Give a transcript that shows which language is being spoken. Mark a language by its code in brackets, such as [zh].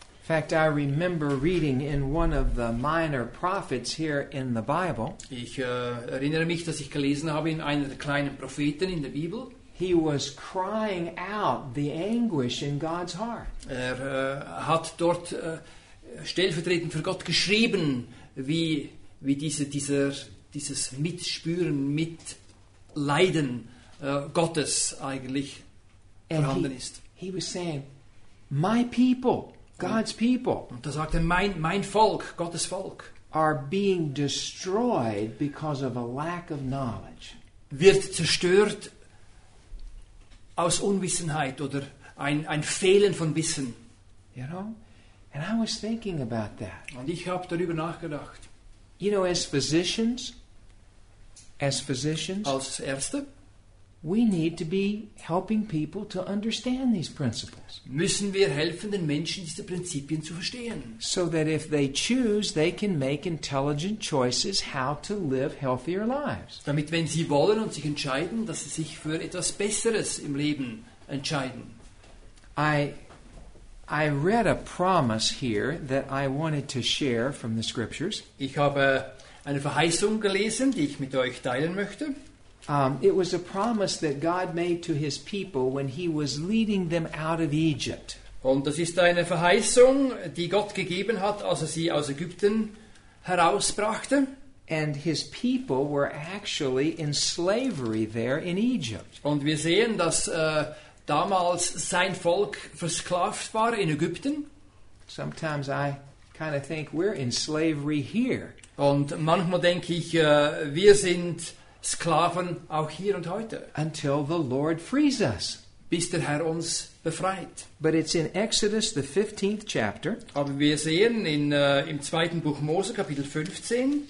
[en] In fact, I remember reading in one of the minor prophets here in the Bible. [de] Ich erinnere mich, dass ich gelesen habe in einer der kleinen Propheten in der Bibel. [en] He was crying out the anguish in God's heart. [de] Er hat dort stellvertretend für Gott geschrieben, wie dieses Mitspüren, Mitleiden Gottes eigentlich vorhanden ist. [en] He was saying, "My people, God's people." [de] Und da sagte mein Volk, Gottes Volk, [en] are being destroyed because of a lack of knowledge. [de] Wird zerstört aus Unwissenheit oder ein Fehlen von Wissen. [en] You know? And I was thinking about that. [de] Und ich habe darüber nachgedacht. [en] You know, as physicians, [de] als Ärzte, [en] we need to be helping people to understand these principles. [de] Müssen wir helfen, den Menschen diese Prinzipien zu verstehen. [en] So that if they choose, they can make intelligent choices how to live healthier lives. [de] Damit, wenn sie wollen und sich entscheiden, dass sie sich für etwas Besseres im Leben entscheiden. [en] I read a promise here that I wanted to share from the scriptures. [de] Ich habe eine Verheißung gelesen, die ich mit euch teilen möchte. [en] It was a promise that God made to his people when he was leading them out of Egypt. [de] Und das ist eine Verheißung, die Gott gegeben hat, als er sie aus Ägypten herausbrachte. [en] And his people were actually in slavery there in Egypt. [de] Und wir sehen, dass damals sein Volk versklavt war in Ägypten. [en] Sometimes I kind of think we're in slavery here. [de] Und manchmal denke ich, wir sind Sklaven auch hier und heute. [en] Until the Lord frees us. [de] Bis der Herr uns befreit. [en] But it's in Exodus, the 15th chapter. [de] Aber wir sehen in im zweiten Buch Mose, Kapitel 15.